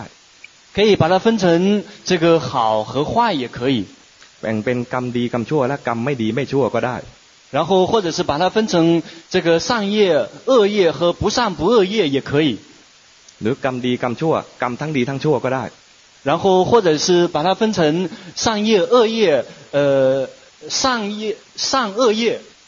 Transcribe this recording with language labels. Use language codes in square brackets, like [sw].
[zh] 可以把它分成这个好和坏也可以 [th] แบ่งเป็นกรรมดีกรรมชั่วและกรรมไม่ดีไม่ชั่วก็ได้ [zh] 然后或者是把它分成这个善业恶业和不善不恶业也可以 [th] หรือกรรมดีกรรมชั่วกรรมทั้งดีทั้งชั่วก็ได้ [zh] 然后或者是把它分成善业恶业善业善恶业